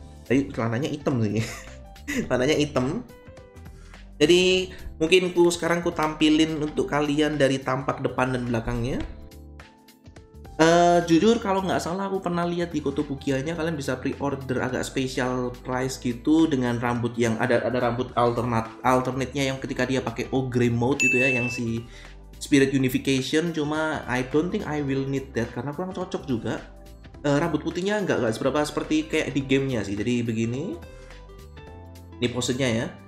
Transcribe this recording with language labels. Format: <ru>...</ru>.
<id>Tapi celananya hitam sih. Celananya hitam. Jadi mungkin sekarang ku tampilin untuk kalian dari tampak depan dan belakangnya. Jujur kalau nggak salah aku pernah lihat di Kotobukiya-nya kalian bisa pre-order agak special price gitu dengan rambut yang ada rambut alternate-nya yang ketika dia pakai Ogre mode gitu ya, yang si Spirit Unification. Cuma</id> <en>I don't think I will need that</en> <id>karena kurang cocok juga. Rambut putihnya nggak seberapa seperti kayak di gamenya sih. Jadi begini, ini posenya ya.</id>